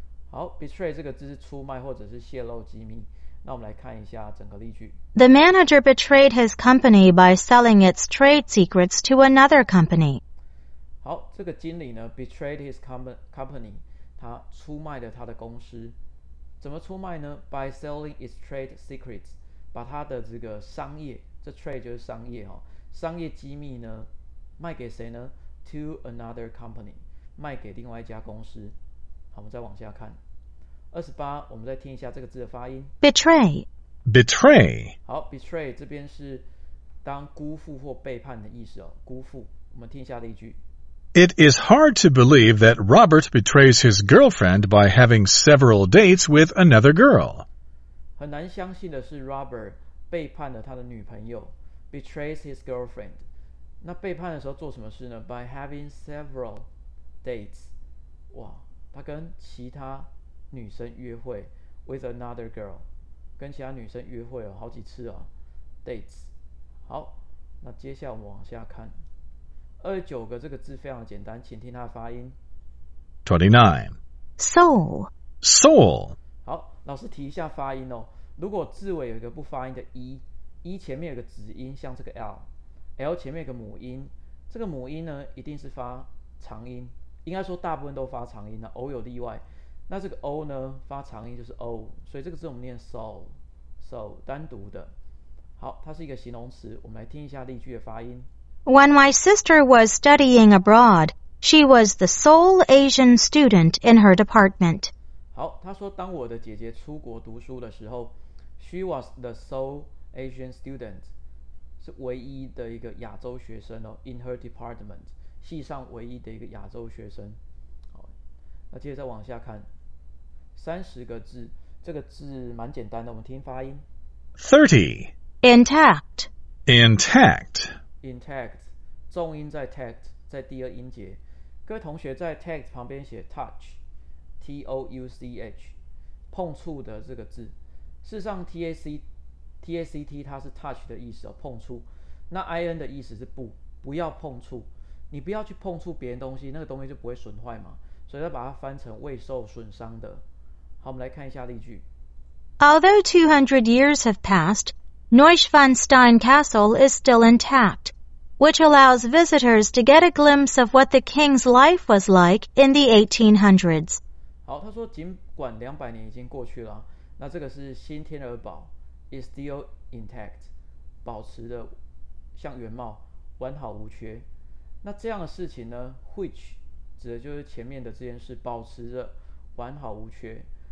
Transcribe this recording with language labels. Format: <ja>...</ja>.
<zh>好 ，betray 这个字是出卖或者是泄露机密。那我们来看一下整个例句。</zh> <en>The manager betrayed his company by selling its trade secrets to another company.</en> <zh>好，这个经理呢 ， betrayed his company。他出卖了他的公司，怎么出卖呢？ By selling its trade secrets，把他的这个商业，这 trade 就是商业哦，商业机密呢，卖给谁呢？ To another company，卖给另外一家公司。好，我们再往下看。 28，我们再听一下这个字的发音。</zh> <en>Betray。 Betray。</en> <zh>好 ，betray 这边是当辜负或背叛的意思哦，辜负。我们听一下例句。</zh> <en>It is hard to believe that Robert betrays his girlfriend by having several dates with another girl.</en> <zh>很难相信的是 Robert 背叛了他的女朋友， betrays his girlfriend. 那背叛的时候做什么事呢？</zh> <en>By having several dates.</en> <zh>哇，他跟其他女生约会， with another girl. 跟其他女生约会了好几次啊， dates. 好，那接下来我们往下看。 29个这个字非常简单，请听它的发音。 29。</zh> <en>Soul。 Soul。</en> <zh>好，老师提一下发音哦。如果字尾有一个不发音的 e，e 前面有个子音，像这个 l，l 前面有个母音，这个母音呢一定是发长音，应该说大部分都发长音的，偶有例外。那这个 O 呢发长音就是 O， 所以这个字我们念 so 单独的。好，它是一个形容词，我们来听一下例句的发音。</zh> <en>When my sister was studying abroad, she was the sole Asian student in her department.</en> <zh>好，他说当我的姐姐出国读书的时候， she was the sole Asian student，是唯一的一个亚洲学生哦， in her department，系上唯一的一个亚洲学生。好，那接着再往下看，30个字，这个字蛮简单的，我们听发音。 30</zh> <en>Intact Intact</en> <zh>Intact， 重音在 tact， 在第二音节。各位同学在 tact 旁边写 touch， T-O-U-C-H， 碰触的这个字。事实上 T-A-C-T 它是 touch 的意思，碰触。那 I-N 的意思是不要碰触，你不要去碰触别人东西，那个东西就不会损坏嘛，所以要把它翻成未受损伤的。好，我们来看一下例句。</zh> <en>Although 200 years have passed, Neuschwanstein Castle is still intact, which allows visitors to get a glimpse of what the king's life was like in the 1800s.</en> <zh>好，他说尽管200年已经过去了，那这个是新天鹅堡 is still intact，保持的像原貌，完好无缺。那这样的事情呢， which 指的就是前面的这件事，保持着完好无缺。</zh>